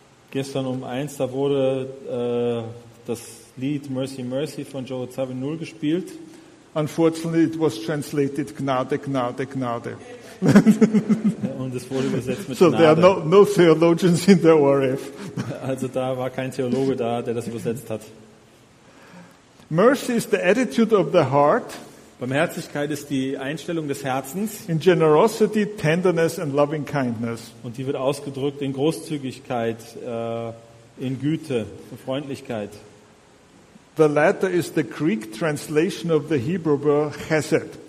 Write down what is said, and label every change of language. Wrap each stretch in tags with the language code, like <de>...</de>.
<de>Gestern um 1 da wurde das Lied Mercy, Mercy von Joe Zawinul gespielt.</de> <en>Unfortunately it was translated</en> <de>Gnade, Gnade, Gnade. Und es wurde übersetzt mit so Gnade.</de> <en>There are no theologians in the ORF.</en> <de>Also da war kein Theologe da, der das übersetzt hat.</de> <en>Mercy is the attitude of the heart.</en> <de>Barmherzigkeit ist die Einstellung des Herzens.</de> <en>In generosity, tenderness and loving kindness.</en> <de>Und die wird ausgedrückt in Großzügigkeit, in Güte, in Freundlichkeit.</de> <en>The latter is the Greek translation of the Hebrew word chesed.</en>